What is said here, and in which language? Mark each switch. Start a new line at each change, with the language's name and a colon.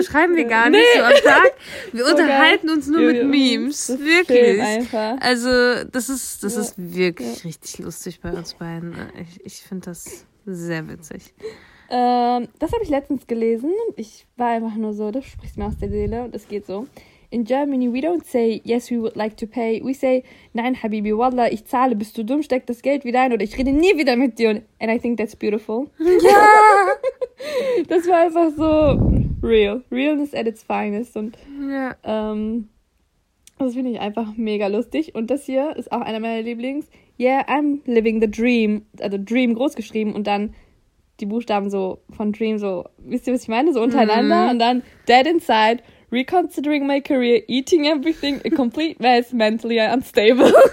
German: Manchmal schreiben wir gar nicht so am Tag. Wir unterhalten uns nur mit Memes. Das wirklich. Also das ist wirklich richtig lustig bei uns beiden. Ich finde das sehr witzig. Das habe ich letztens gelesen. Ich war einfach nur so, das spricht mir aus der Seele und es geht so.
English: In Germany, we don't say, yes, we would like to pay. We say,
German: nein, Habibi, wallah, ich zahle, bist du dumm, steck das Geld wieder ein oder ich rede nie wieder mit dir.
English: And I think that's beautiful.
German: Ja! Das war einfach so real.
English: Realness at its finest.
German: Und das finde ich einfach mega lustig. Und das hier ist auch einer meiner Lieblings.
English: Yeah, I'm living the dream.
German: Also Dream großgeschrieben und dann die Buchstaben so von Dream so, wisst ihr, was ich meine? So untereinander. Mhm. Und dann
English: dead inside. Reconsidering my career, eating everything, a complete mess, mentally unstable.